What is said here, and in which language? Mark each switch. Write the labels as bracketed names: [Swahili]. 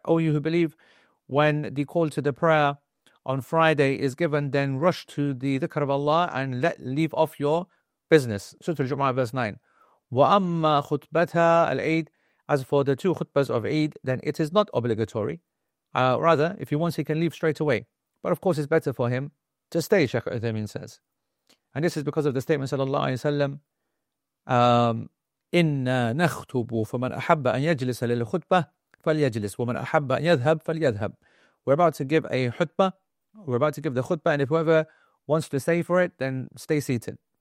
[English] Oh, you who believe, when the call to the prayer on Friday is given, then rush to the dhikr of Allah and leave off your business. Surah Al-Jum'ah, verse 9. [Arabic] وأما خطبتها العيد, [English] as for the two khutbas of Eid, then it is not obligatory. Rather, if he wants, he can leave straight away. But of course, it's better for him to stay, Sheikh Uthaymeen says. And this is because of the statement, sallallahu alayhi wa sallam, [Arabic] إِنَّا نَخْتُبُ فَمَنْ أَحَبَّ أَنْ يَجْلِسَ لِلْخُطْبَةِ فَلْيَجْلِسَ وَمَنْ أَحَبَّ أَنْ يَذْهَبْ فَلْيَذْهَبْ. [English] We're about to give a khutbah. We're about to give the khutbah, and if whoever wants to stay for it, then stay seated.